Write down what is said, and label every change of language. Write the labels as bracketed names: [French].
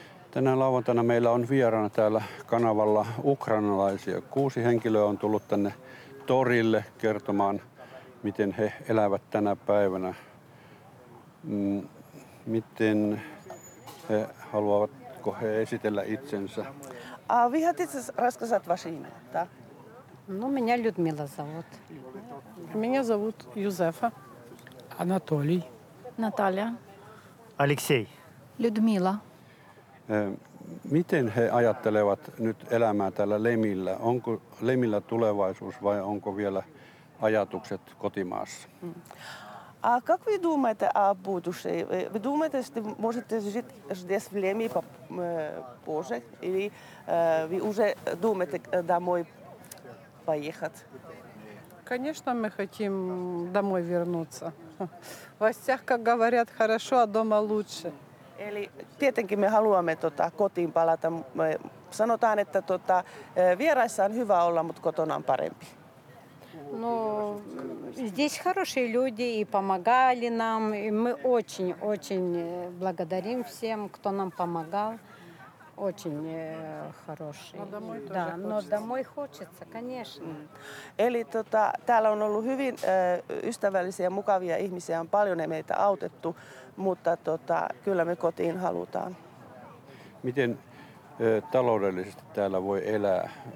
[Finnish] Tänä lauantaina meillä on vieraana täällä kanavalla ukrainalaisia. 6 henkilöä on tullut tänne torille kertomaan, miten he elävät tänä päivänä. Miten he haluavatko he esitellä itsensä? [Russian] А вы хотите рассказать ваше имя? Да. Ну меня Людмила зовут. Меня зовут Юзефа. Анатолий. Наталья. Алексей. Людмила. [Finnish] Miten he ajattelevat nyt elämää täällä Lemillä? Onko Lemillä tulevaisuus vai onko vielä ajatukset kotimaassa? [Russian] А как вы думаете о будущем? Вы думаете, что можете жить здесь в Леми позже? Или вы уже думаете домой поехать? Конечно, мы хотим домой вернуться. В гостях, как говорят, хорошо, а дома лучше. [Finnish] Eli tietenkin me haluamme kotiin palata. Me sanotaan, että vieraissa on hyvä olla, mutta kotona on parempi. [Russian] No, здесь хорошие люди и помогали нам. И мы очень, очень благодарим всем, кто нам помогал. Очень хороший. Но домой тоже да, хочется. Но домой хочется, конечно. [Finnish] Eli täällä on ollut hyvin ystävällisiä, mukavia ihmisiä. On paljon ja meitä autettu. Mutta kyllä me kotiin halutaan. Miten taloudellisesti täällä voi elää?